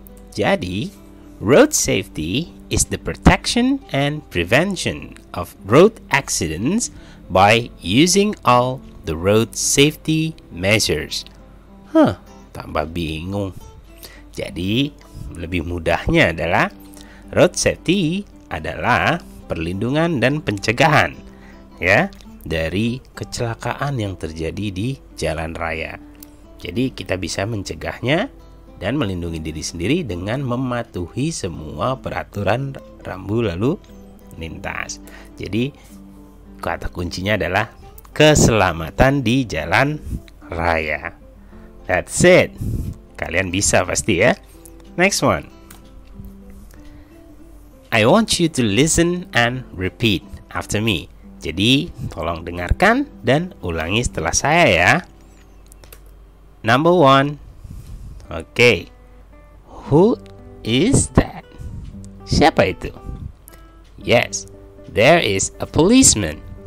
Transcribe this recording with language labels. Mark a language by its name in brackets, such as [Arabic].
[English] Jadi, road safety is the protection and prevention of road accidents by using all the road safety measures. [Indonesian] Huh, tambah bingung. Jadi, lebih mudahnya adalah road safety adalah perlindungan dan pencegahan ya dari kecelakaan yang terjadi di jalan raya. Jadi, kita bisa mencegahnya dan melindungi diri sendiri dengan mematuhi semua peraturan rambu lalu lintas. Jadi, kata kuncinya adalah keselamatan di jalan raya. That's it. Kalian bisa pasti ya. Next one. [English] I want you to listen and repeat after me. [Indonesian] Jadi, tolong dengarkan dan ulangi setelah saya ya. [English] Number one. Okay, who is that? Siapa itu? Yes, there is a policeman.